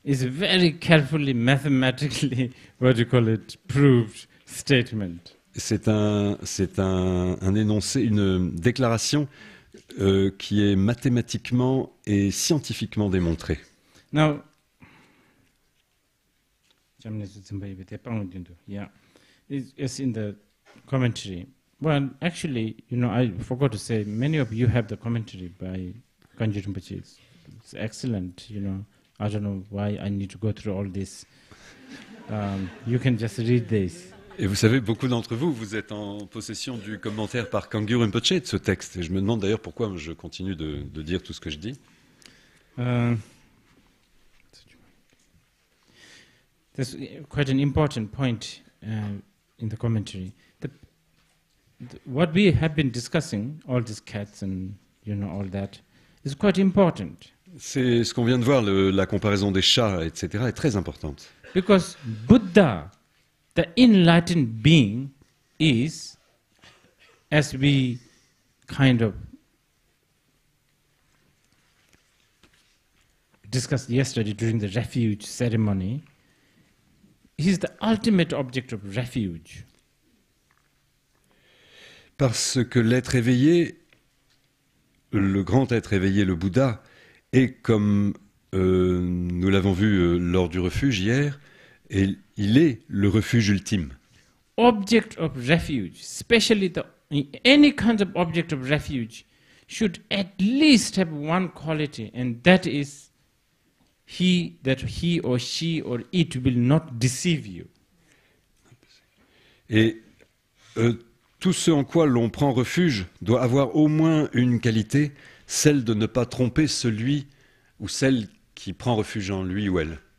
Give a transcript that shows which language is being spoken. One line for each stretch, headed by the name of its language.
English: It's very carefully mathematically, what do you call it, proved statement.
French: C'est un énoncé, une déclaration qui est mathématiquement et scientifiquement démontrée.
English: Now, it's in the commentary. Well, actually, you know, I forgot to say, many of you have the commentary by Kanji Rinpoche. It's excellent, you know. I don't know why I need to go through all this. You can just read this.
French: Et vous savez, beaucoup d'entre vous, vous êtes en possession du commentaire par Kangyur Rinpoche de ce texte. Et je me demande d'ailleurs pourquoi je continue de dire tout ce que je dis.
English: There's quite an important point in the commentary. What we have been discussing, all these cats and you know all that, is quite important.
French: C'est ce qu'on vient de voir, la comparaison des chats, etc., est très importante.
English: Because Buddha, the enlightened being, is, as we kind of discussed yesterday during the refuge ceremony, he is the ultimate object of refuge.
French: Parce que l'être éveillé, le grand être éveillé, le Bouddha, est comme nous l'avons vu lors du refuge hier, et il est le refuge ultime.
English: Object of refuge, especially any kind of object of refuge, should at least have one quality, and that is he or she or it will not deceive you.
French: Et tout ce en quoi l'on prend refuge doit avoir au moins une qualité, celle de ne pas tromper celui ou celle qui prend refuge en lui ou elle.